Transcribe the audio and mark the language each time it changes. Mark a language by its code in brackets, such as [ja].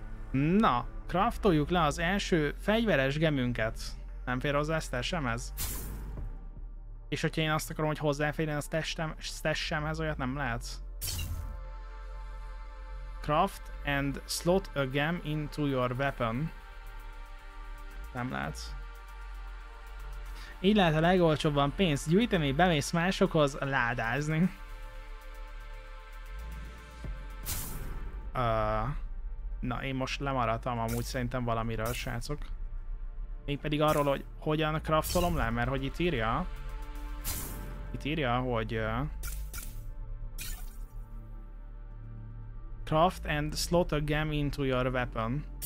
[hu] Na, craftoljuk le az első fegyveres gemünket. Nem fér hozzá stashemhez? És hogyha én azt akarom, hogy hozzáférjen a stashemhez, olyat nem lehet? [en] Craft and slot a gem into your weapon. [hu] Nem látsz. Így lehet a legolcsóbban pénzt gyűjteni, bemész másokhoz ládázni. Na, én most lemaradtam amúgy szerintem valamiről, srácok. Mégpedig arról, hogy hogyan craftolom le, mert hogy itt írja, hogy [en] craft and slot a gem into your weapon.